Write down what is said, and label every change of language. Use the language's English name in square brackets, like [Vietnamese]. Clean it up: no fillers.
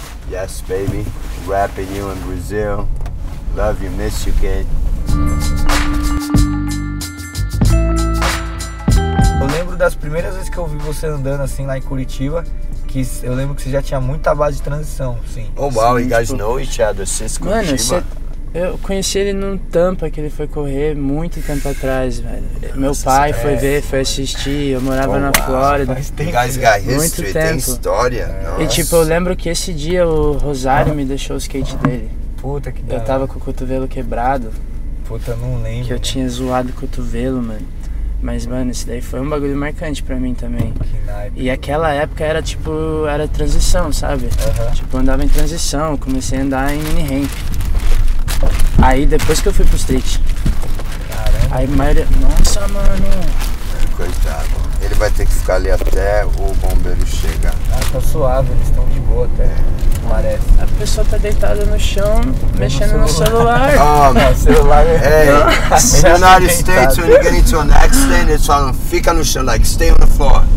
[English] Yes, baby. Rapping you in Brazil. Love you, miss you, kid. [Portuguese] Eu lembro das primeiras vezes que eu vi você andando assim lá em Curitiba, que eu lembro que você já tinha muita base de transição, sim. [English] Oh, wow, you guys know each other since Curitiba. [Portuguese] Mano, eu conheci ele num Tampa que ele foi correr muito tempo atrás, velho. Nossa, meu pai foi ver, foi assistir, eu morava na Flórida. [English] Guys got history, [Portuguese] muito tempo. Tem história. Nossa. E tipo, eu lembro que esse dia o Rosário me deixou o skate dele. Puta que pariu. Eu tava com o cotovelo quebrado. Puta, não lembro. Que eu tinha zoado o cotovelo, mano. Mas, mano, esse daí foi um bagulho marcante pra mim também. Que naipe. E aquela época era tipo, era transição, sabe? Uh-huh. Tipo, andava em transição, comecei a andar em mini ramp. Aí depois que eu fui pro street. Caramba. Aí maioria... Nossa, mano. Coitado. Ele vai ter que ficar ali até o bombeiro chegar. Ah, tá suave, eles estão de boa até. Parece. A pessoa tá deitada no chão, mexendo no celular. Oh, meu celular. [English] Hey, nossa, in the United States, when you get into an accident, it's on, [Portuguese] fica no chão, [English] like, stay on the floor.